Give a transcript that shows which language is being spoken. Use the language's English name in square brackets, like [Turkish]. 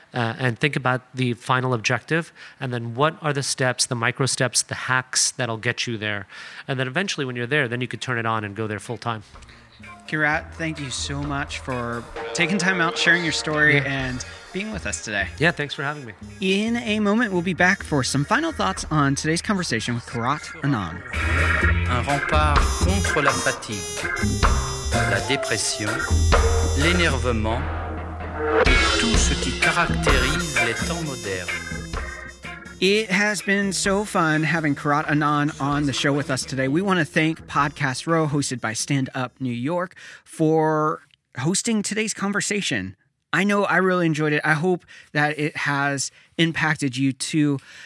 [English] And think about the final objective. And then what are the steps, the micro steps, the hacks that'll get you there? And then eventually when you're there, then you could turn it on and go there full time. Kirat, thank you so much for taking time out, sharing your story, and being with us today. Yeah, thanks for having me. In a moment, we'll be back for some final thoughts on today's conversation with Kirat Anand. [French] Un rempart contre la fatigue, la dépression, l'énervement, et tout ce qui caractérise les temps modernes. [English] It has been so fun having Kirat Anand on the show with us today. We want to thank Podcast Row, hosted by Stand Up New York, for hosting today's conversation. I know I really enjoyed it. I hope that it has impacted you too.